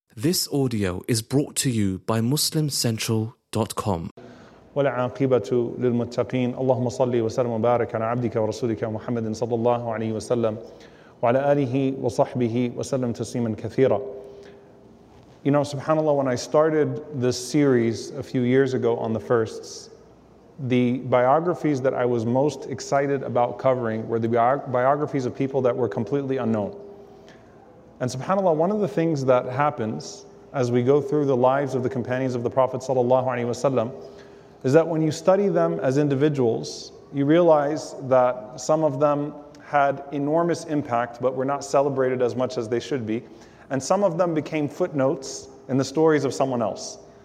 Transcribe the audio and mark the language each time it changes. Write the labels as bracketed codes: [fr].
[en] This audio is brought to you by MuslimCentral.com. [ar] ولا عاقبة للمتقين. اللهم صل وسلم وبارك على عبدك ورسولك محمد صلى الله عليه وسلم وعلى آله وصحبه وسلم تسليما كثيرا. [en] You know, subhanAllah, when I started this series a few years ago on the firsts, the biographies that I was most excited about covering were the biographies of people that were completely unknown. And subhanAllah, one of the things that happens as we go through the lives of the companions of the Prophet is that when you study them as individuals, you realize that some of them had enormous impact but were not celebrated as much as they should be, and some of them became footnotes in the stories of someone else.